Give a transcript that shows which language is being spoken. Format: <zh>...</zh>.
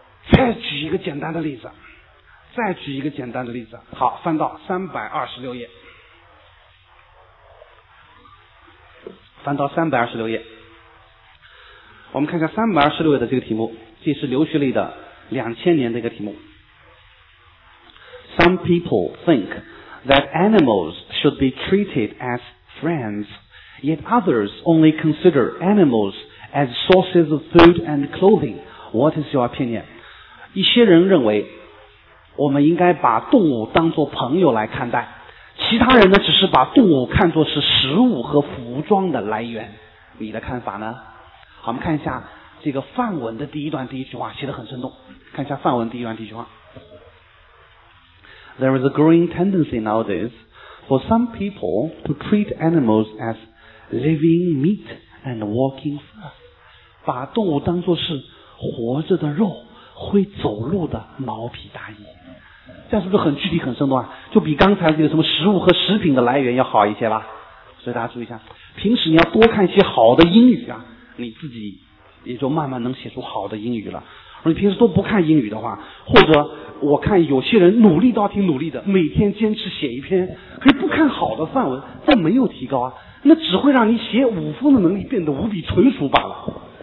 <zh>再举一个简单的例子，再举一个简单的例子。好，翻到326页，翻到326页，我们看一下326页的这个题目，这是留学类的2000年的一个题目。</zh> <en>Some people think that animals should be treated as friends, yet others only consider animals as sources of food and clothing. What is your opinion?</en> <zh>一些人认为我们应该把动物当作朋友来看待，其他人呢只是把动物看作是食物和服装的来源，你的看法呢？好，我们看一下这个范文的第一段第一句话，写得很生动。看一下范文第一段第一句话。</zh> <en>There is a growing tendency nowadays for some people to treat animals as living meat and walking fur，</en> <zh>把动物当作是活着的肉、会走路的毛皮大衣。这样是不是很具体很生动啊？就比刚才这个什么食物和食品的来源要好一些吧。所以大家注意一下，平时你要多看一些好的英语啊，你自己也就慢慢能写出好的英语了。而你平时都不看英语的话，或者我看有些人努力倒挺努力的，每天坚持写一篇，可是不看好的范文，那没有提高啊，那只会让你写五分的能力变得无比纯熟罢了。</zh>